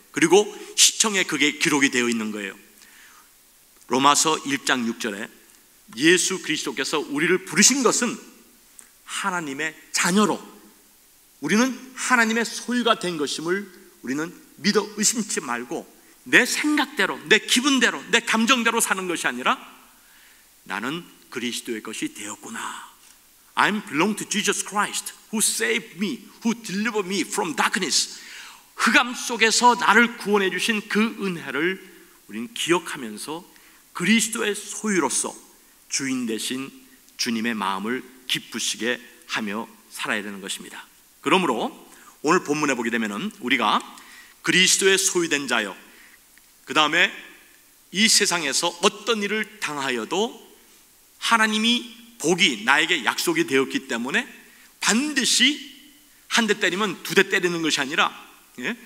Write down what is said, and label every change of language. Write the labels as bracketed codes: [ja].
[ko] 그리고 시청에 그게 기록이 되어 있는 거예요. 로마서 1장 6절에 예수 그리스도께서 우리를 부르신 것은 하나님의 자녀로 우리는 하나님의 소유가 된 것임을 우리는 믿어 의심치 말고 내 생각대로, 내 기분대로, 내 감정대로 사는 것이 아니라 나는 그리스도의 것이 되었구나. [en] I belong to Jesus Christ who saved me, who delivered me from darkness. [ko] 흑암 속에서 나를 구원해 주신 그 은혜를 우린 기억하면서 그리스도의 소유로서 주인 대신 주님의 마음을 기쁘시게 하며 살아야 되는 것입니다. 그러므로 오늘 본문에 보게 되면은 우리가 그리스도의 소유된 자여 그 다음에 이 세상에서 어떤 일을 당하여도 하나님이 복이 나에게 약속이 되었기 때문에 반드시 한 대 때리면 두 대 때리는 것이 아니라 예?